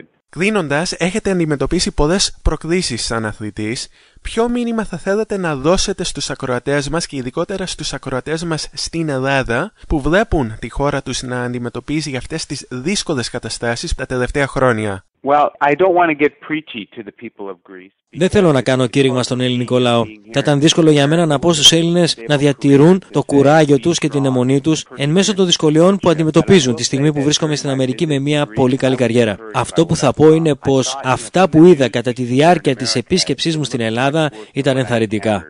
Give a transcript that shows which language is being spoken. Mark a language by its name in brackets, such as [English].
[Greek] Κλείνοντας, έχετε αντιμετωπίσει πολλές προκλήσεις σαν αθλητής. Ποιο μήνυμα θα θέλατε να δώσετε στους ακροατές μας και ειδικότερα στους ακροατές μας στην Ελλάδα που βλέπουν τη χώρα τους να αντιμετωπίζει αυτές τις δύσκολες καταστάσεις τα τελευταία χρόνια? [English] Well, I don't want to get preachy to the people of Greece. [Greek] Δεν θέλω να κάνω κήρυγμα στον ελληνικό λαό. Θα ήταν δύσκολο για μένα να πω στους Έλληνες να διατηρούν το κουράγιο τους και την αιμονή τους εν μέσω των δυσκολιών που αντιμετωπίζουν τη στιγμή που βρίσκομαι στην Αμερική με μια πολύ καλή καριέρα. Αυτό που θα πω είναι πως αυτά που είδα κατά τη διάρκεια της επίσκεψής μου στην Ελλάδα ήταν ενθαρρυντικά.